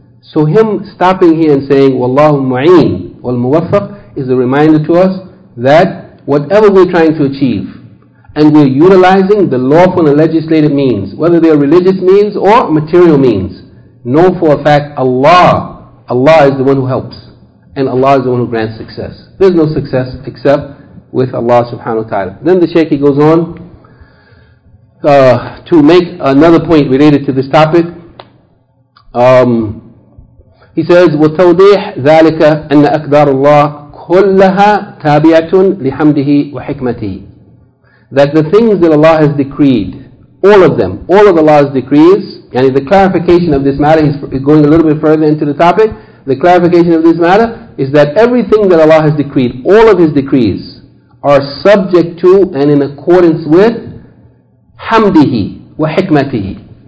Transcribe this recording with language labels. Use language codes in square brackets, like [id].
[en] So him stopping here and saying, Wallahu mu'in wal muwaffaq, is a reminder to us that whatever we're trying to achieve, and we're utilizing the lawful and legislative means, whether they are religious means or material means, know for a fact Allah is the one who helps, and Allah is the one who grants success. There's no success except with Allah subhanahu wa ta'ala. Then the Shaykh, he goes on to make another point related to this topic. He says, [ar] وَتَوْضِيحْ ذَلِكَ أَنَّ أَكْدَارُ اللَّهِ كُلَّهَا تَابِعَةٌ لِحَمْدِهِ وَحِكْمَتِهِ. [en] That the things that Allah has decreed, all of them, all of Allah's decrees, yani the clarification of this matter, he's going a little bit further into the topic, the clarification of this matter is that everything that Allah has decreed, all of his decrees, are subject to and in accordance with [ar] حَمْدِهِ وَحِكْمَتِهِ.